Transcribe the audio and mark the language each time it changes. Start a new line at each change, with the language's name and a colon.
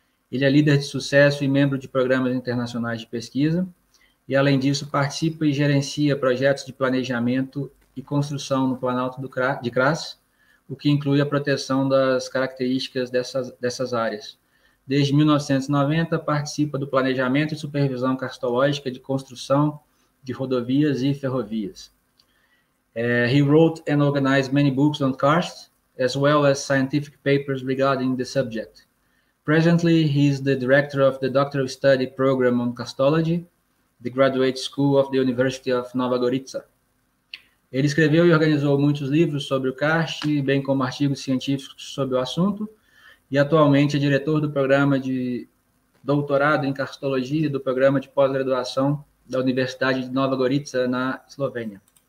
Portuguese: Ele é líder de sucesso e membro de programas internacionais de pesquisa e, além disso, participa e gerencia projetos de planejamento e construção no Planalto de Knez, o que inclui a proteção das características dessas áreas. Desde 1990, participa do planejamento e supervisão karstológica de construção de rodovias e ferrovias.
English: He wrote and organized many books on karst, as well as scientific papers regarding the subject. Presently, he is the director of the doctoral study program on karstology, the graduate school of the University of Nova Gorica.
Portuguese: Ele escreveu e organizou muitos livros sobre o karst, bem como artigos científicos sobre o assunto, e atualmente é diretor do programa de doutorado em karstologia do programa de pós-graduação da Universidade de Nova Gorica, na Eslovênia.